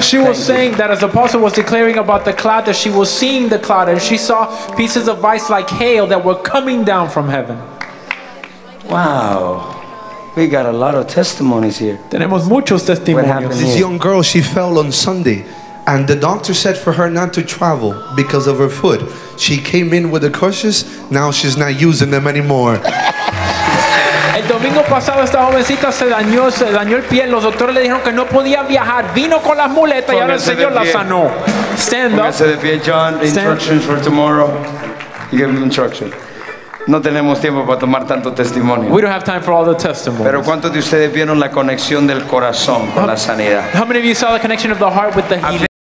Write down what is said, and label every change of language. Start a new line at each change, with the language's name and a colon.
English: She was saying that as the apostle was declaring about the cloud, that she was seeing the cloud and she saw pieces of ice like hail that were coming down from heaven. Wow. We got a lot of testimonies here.
Spanish: Tenemos muchos testimonios.
English: This young girl, she fell on Sunday and the doctor said for her not to travel because of her foot. She came in with the crutches, now she's not using them anymore.
Spanish: El domingo pasado esta jovencita se dañó el pie. Los doctores le dijeron que no podía viajar. Vino con las muletas y ahora el Señor la sanó.
English: Stand up.
Spanish: Póngase de pie,
English: John. Instructions for tomorrow. Give him instructions.
Spanish: No tenemos tiempo para tomar tanto testimonio.
English: We don't have time for all the testimonies.
Spanish: Pero ¿cuántos de ustedes vieron la conexión del corazón con la sanidad?
English: How many of you saw the connection of the heart with the healing?